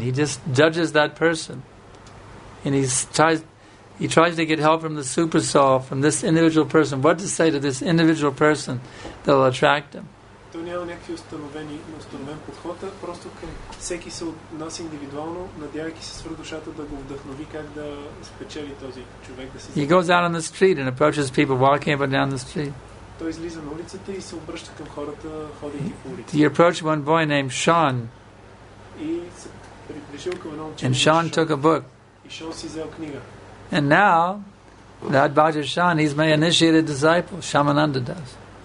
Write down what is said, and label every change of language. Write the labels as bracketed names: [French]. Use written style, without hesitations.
[English] He just judges that person. And he tries to get help from the super soul, from this individual person. What to say to this individual person that will attract him. [Bulgarian] Той няма някакви установен подход, просто към всеки се отнася индивидуално, надявайки се свърх душата да го вдъхнови как да спечели този човек. Да [English] He goes out on the street and approaches people walking up and down the street. [Bulgarian] Той излиза на улицата и се обръща към хората, ходейки по улицата. [English] He approached one boy named Sean. [Bulgarian] И се приближил към едно момче. [English] And Sean took a book. [Bulgarian] И Sean си взел книга. [English] And now, that Bhaja Sean, he's my initiated disciple, Shamananda Das.